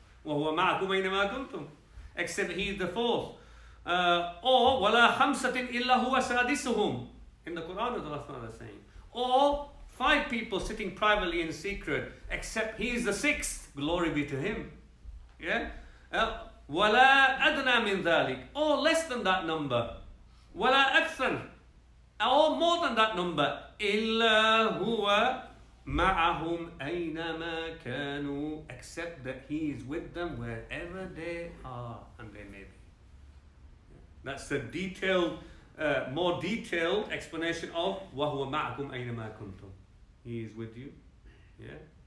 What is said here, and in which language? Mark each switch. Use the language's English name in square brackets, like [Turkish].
[Arabic] وَهُوَ مَعَكُمْ أَيْنَمَا كُنْتُمْ, [English] except He is the fourth. Or, [Arabic] وَلَا خَمْسَةٍ إِلَّا هُوَ سَادِسُهُمْ, [English] in the Quran of Allah is saying. Or, five people sitting privately in secret, except He is the sixth, glory be to Him. Yeah? [Arabic] وَلَا أَدْنَى مِنْ ذَلِكَ, [English] or less than that number. [Arabic] وَلَا أَكْثَرٍ, [English] or more than that number, illa huwa ma'ahum aynama kanu, except that he is with them wherever they are and they may be. That's the detailed, more detailed explanation of wa huwa ma'akum aynama kuntum. He is with you. Yeah?